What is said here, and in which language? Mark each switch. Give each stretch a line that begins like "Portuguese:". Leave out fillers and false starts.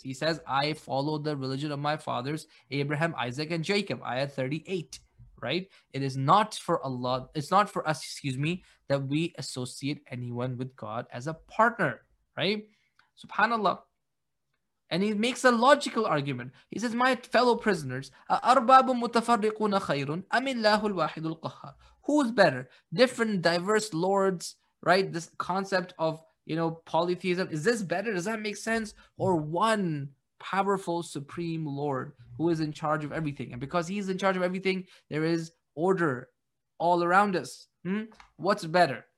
English: He says, I follow the religion of my fathers, Abraham, Isaac, and Jacob. Ayah 38, right? It is not for Allah, it's not for us, excuse me, that we associate anyone with God as a partner, right? Subhanallah. And he makes a logical argument. He says, my fellow prisoners,
Arabic: أَرْبَابٌ مُتَفَرِّقُونَ خَيْرٌ أَمِ اللَّهُ الْوَاحِدُ الْقَهَّارُ.
English: Who's better? Different diverse lords, right? This concept of, you know, polytheism. Is this better? Does that make sense? Or one powerful supreme lord who is in charge of everything. And because he's in charge of everything, there is order all around us. What's better?